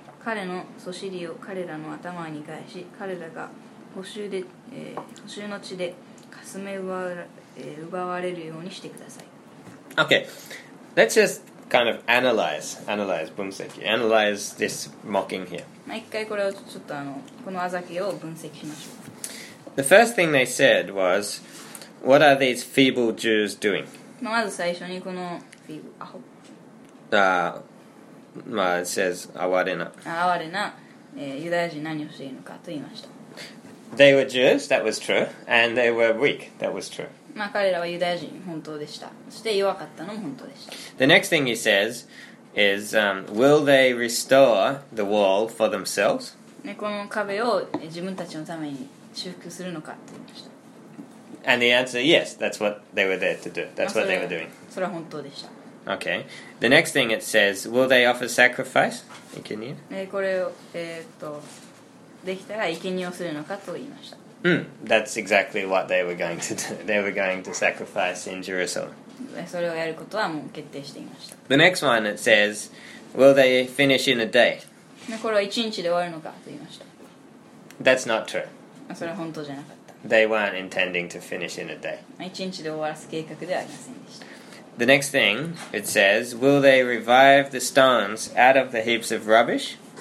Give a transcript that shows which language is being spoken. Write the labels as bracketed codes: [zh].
[ja] 彼のそしりを彼らの頭に返し、彼らが補修の地でかすめ奪われるようにしてください。 [en] Okay, let's just kind of analyze, 分析、analyze this mocking here. [ja] まあ一回これをちょっとこのあざけを分析しましょう。 [en] The first thing they said was, "What are these feeble Jews doing?" [ja] まず最初にこのフィーブアホ。まあ、 [en] it says [ja] 哀れな。哀れな、ユダヤ人何をしているのかと言いました。 [en] They were Jews, that was true, and they were weak, that was true. [ja] まあ彼らはユダヤ人本当でした。そして弱かったのも本当でした。 [en] The next thing he says is, will they restore the wall for themselves? [ja] ね、この壁を自分たちのために修復するのかと言いました。 [en] And the answer, yes, that's what they were there to do. That's what they were doing. [ja] それは本当でした。 [en] Okay. The next thing it says, will they offer sacrifice? That's exactly what they were going to do. They were going to sacrifice in Jerusalem. [ja] それをやることはもう決定していました。 [en] The next one it says, will they finish in a day? [ja] これは一日で終わるのかと言いました。 [en] That's not true. [ja] それは本当じゃなかった。 [en] They weren't intending to finish in a day. [ja] 一日で終わらす計画ではありませんでした。 [en] The next thing it says, will they revive the stones out of the heaps of rubbish?